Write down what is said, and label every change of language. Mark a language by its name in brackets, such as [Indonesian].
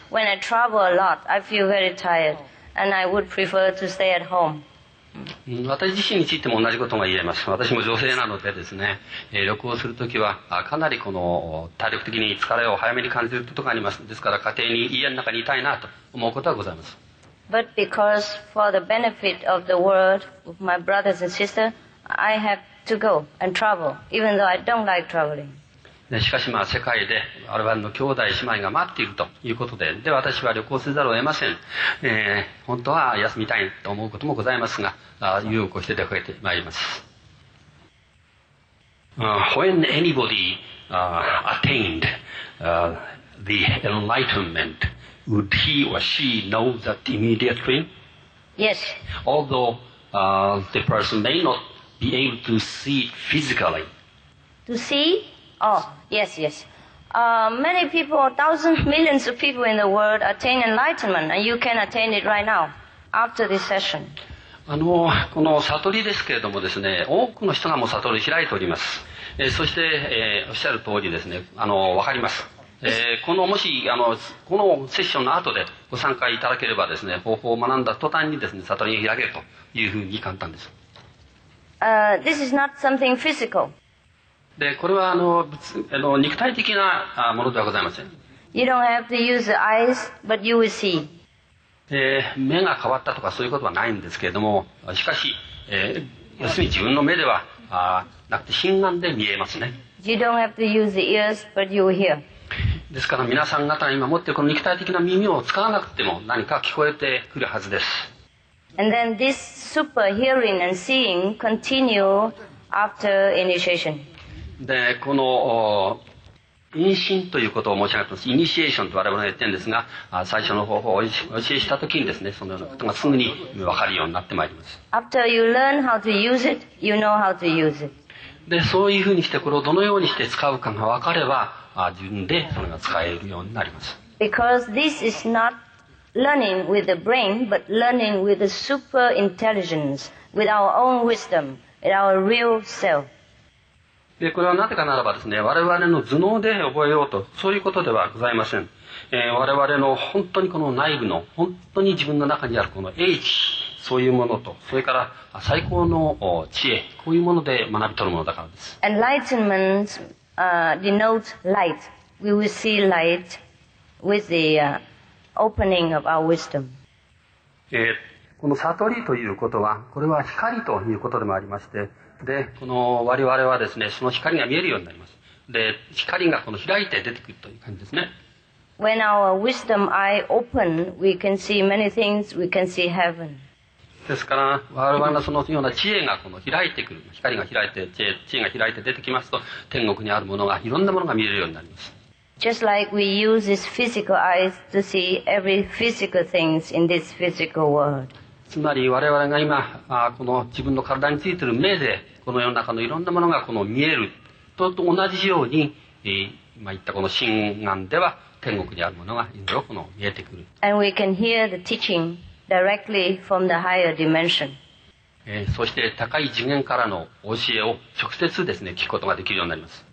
[English] When I travel a lot, I feel very tired, and I would prefer to stay at home. [Japanese] 私自身についても同じことが言えます。私も女性なのでですね、旅行するときはかなりこの体力的に疲れを早めに感じることがあります。ですから家庭に家の中にいたいなと思うことはございます。 [English] But because for the benefit of the world, my brothers and sisters, I have to go and travel, even though I don't like traveling. [Japanese] しかしまあ世界で我々の兄弟姉妹が待っているということで、で私は旅行せざるを得ません。本当は休みたいと思うこともございますが、勇気をして出かけてまいります。 [English] When anybody attained the enlightenment, would he or she know that immediately? Yes. Although the person may not be able to see physically. To see? Oh, yes, yes. Many people, thousands, millions of people in the world attain enlightenment, and you can attain it right now, after this session. [Japanese] この悟りですけれどもですね、多くの人がもう悟り開いております。そして、おっしゃる通りですね、わかります。このもしこのセッションの後でご参加いただければですね、方法を学んだ途端にですね、悟りが開けるというふうに簡単です。 [English] This is not something physical. [Japanese] で、これは肉体的なものではございません。 [English] You don't have to use the eyes, but you will see. [Japanese] 目が変わったとかそういうことはないんですけれども、しかし、要するに自分の目ではなくて心眼で見えますね。 [English] You don't have to use the ears, but you hear. [Japanese] ですから皆さん方が今持っているこの肉体的な耳を使わなくても何か聞こえてくるはずです。 [English] And then this super hearing and seeing continue after initiation. [Japanese] で、この妊娠ということを申し上げています。イニシエーションと我々は言っているんですが、最初の方法をお教えしたときにですね、そのようなことがすぐに分かるようになってまいります。 [English] After you learn how to use it, you know how to use it. [Japanese] で、そういうふうにして、これをどのようにして使うかが分かれば、自分でそれが使えるようになります。 [English] Because this is not learning with the brain, but learning with the super intelligence, with our own wisdom, with our real self. [Japanese] でこれはなぜかならばですね、我々の頭脳で覚えようと、そういうことではございません。我々の本当にこの内部の、本当に自分の中にあるこの英知、そういうものと、それから最高の知恵、こういうもので学び取るものだからです。 [English] Enlightenment denotes light. We will see light with the opening of our wisdom. [Japanese] この悟りということは、これは光ということでもありまして、で、この我々はですね、その光が見えるようになります。で、光がこの開いて出てくるという感じですね。 [English] When our wisdom eye open, we can see many things, we can see heaven. [Japanese] ですから、我々のそのような知恵がこの開いてくる、光が開いて、知恵が開いて出てきますと、天国にあるものが、いろんなものが見えるようになります。 [English] Just like we use these physical eyes to see every physical things in this physical world. [Japanese] つまり我々が今この自分の体についている目でこの世の中のいろんなものがこの見えると同じように今言ったこの心眼では天国にあるものがいろいろこの見えてくる。 [English] And we can hear the teaching directly from the higher dimension. [Japanese] そして高い次元からの教えを直接ですね聞くことができるようになります。